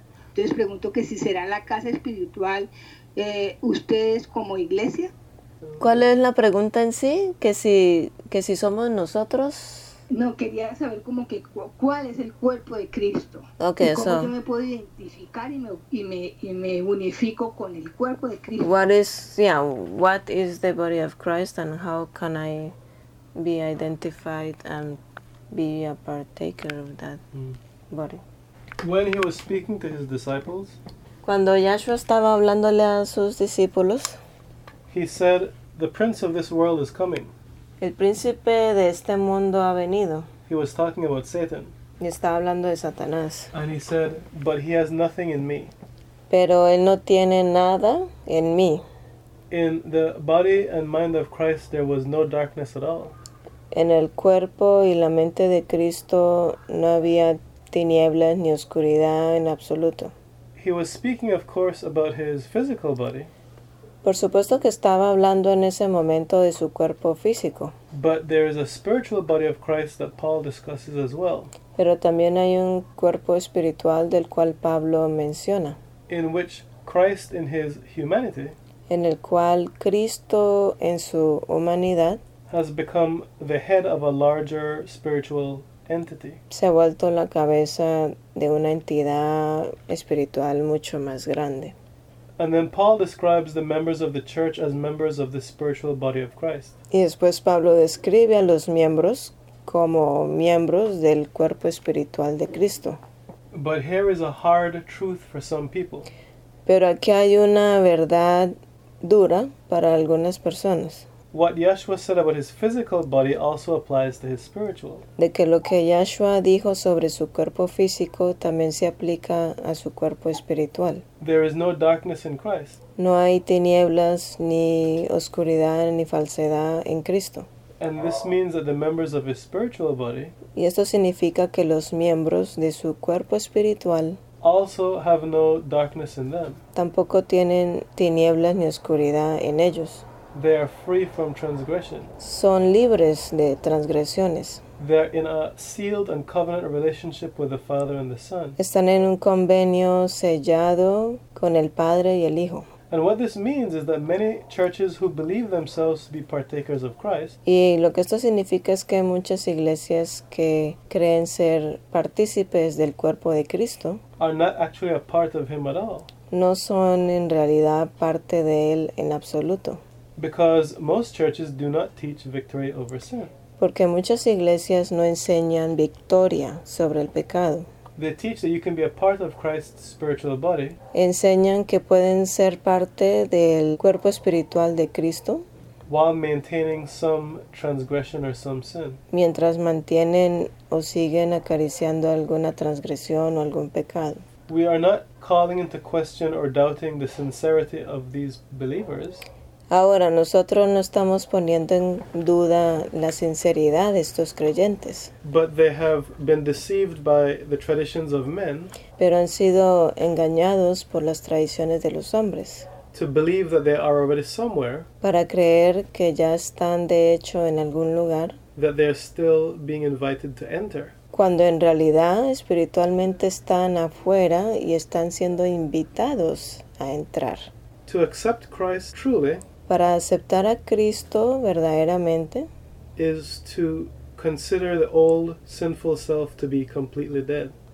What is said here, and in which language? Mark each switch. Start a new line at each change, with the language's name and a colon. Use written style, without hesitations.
Spanish: Entonces pregunto que si será la casa espiritual ustedes como iglesia. ¿Cuál es la pregunta en sí? Que si somos nosotros No, quería saber como que cuál es el cuerpo de Cristo. Okay, y cómo so yo me puedo identificar y me unifico con el cuerpo de Cristo.
English: What is the body of Christ and how can I be identified and be a partaker of that body? When he was speaking to his disciples,
Spanish: cuando Yahshua estaba hablándole a sus discípulos,
English: he said, "The prince of this world is coming."
Spanish: El príncipe de este mundo ha venido.
English: He was talking about Satan.
Spanish: Y estaba hablando de Satanás.
English: And he said, "But he has nothing in me."
Spanish: Pero él no tiene nada en mí.
English: In the body and mind of Christ, there was no darkness at all.
Spanish: En el cuerpo y la mente de Cristo no había tinieblas ni oscuridad en absoluto.
English: He was speaking, of course, about his physical body.
Spanish: Por supuesto que estaba hablando en ese momento de su cuerpo físico.
English: But there is a spiritual body of Christ that Paul discusses as well.
Spanish: Pero también hay un cuerpo espiritual del cual Pablo menciona.
English: In which Christ in his humanity,
Spanish: en el cual Cristo en su humanidad,
English: has become the head of a larger spiritual entity.
Spanish: Se ha vuelto la cabeza de una entidad espiritual mucho más grande.
English: And then Paul describes the members of the church as members of the spiritual body of Christ.
Spanish: Y después Pablo describe a los miembros como miembros del cuerpo espiritual de Cristo.
English: But here is a hard truth for some people.
Spanish: Pero aquí hay una verdad dura para algunas personas.
English: What Yahshua said about his physical body also applies to his spiritual.
Spanish: De que lo que Yahshua dijo sobre su cuerpo físico también se aplica a su cuerpo espiritual.
English: There is no darkness in Christ.
Spanish: No hay tinieblas, ni oscuridad, ni falsedad en Cristo.
English: And this means that the members of his spiritual body,
Spanish: y esto significa que los miembros de su cuerpo espiritual,
English: also have no darkness in them.
Spanish: Tampoco tienen tinieblas ni oscuridad en ellos.
English: They are free from transgression.
Spanish: Son libres de transgresiones.
English: They are in a sealed and covenant relationship with the Father and the Son.
Spanish: Están en un convenio sellado con el Padre y el Hijo.
English: And what this means is that many churches who believe themselves to be partakers of Christ,
Spanish: y lo que esto significa es que muchas iglesias que creen ser partícipes del cuerpo de Cristo,
English: are not actually a part of him at all.
Spanish: No son en realidad parte de él en absoluto.
English: Because most churches do not teach victory over sin.
Spanish: Porque muchas iglesias no enseñan victoria sobre el pecado.
English: They teach that you can be a part of Christ's spiritual body.
Spanish: Enseñan que pueden ser parte del cuerpo espiritual de Cristo.
English: While maintaining some transgression or some sin.
Spanish: Mientras mantienen o siguen acariciando alguna transgresión o algún pecado.
English: We are not calling into question or doubting the sincerity of these believers.
Spanish: Ahora, nosotros no estamos poniendo en duda la sinceridad de estos creyentes.
English: But they have been deceived by the traditions of men.
Spanish: Pero han sido engañados por las tradiciones de los hombres.
English: To believe that they are already somewhere.
Spanish: Para creer que ya están de hecho en algún lugar.
English: That they are still being invited to enter.
Spanish: Cuando en realidad espiritualmente están afuera y están siendo invitados a entrar.
English: To accept Christ truly,
Spanish: para aceptar a Cristo verdaderamente,
English: is to consider the old sinful self to be completely dead.